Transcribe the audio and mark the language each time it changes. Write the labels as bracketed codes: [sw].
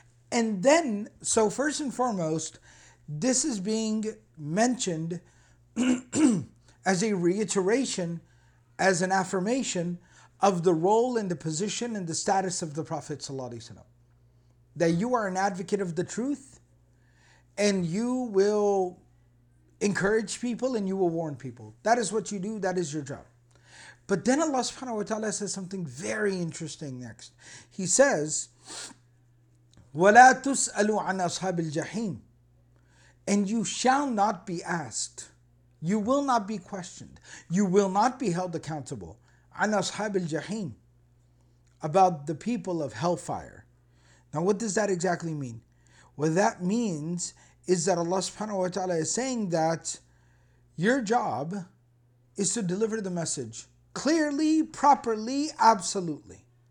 [en] And then, so first and foremost, this is being mentioned as a reiteration, as an affirmation of the role and the position and the status of the Prophet ﷺ. That you are an advocate of the truth, and you will encourage people and you will warn people. That is what you do, that is your job. But then Allah subhanahu wa ta'ala says something very interesting next. He says, [ar] وَلَا تُسْأَلُوا عَنْ أَصْحَابِ الْجَحِيمِ. [en] And you shall not be asked. You will not be questioned. You will not be held accountable. [ar] عَنْ أَصْحَابِ الْجَحِيمِ. [en] About the people of hellfire. Now what does that exactly mean? What that means is that Allah subhanahu wa ta'ala is saying that your job is to deliver the message clearly, properly, absolutely.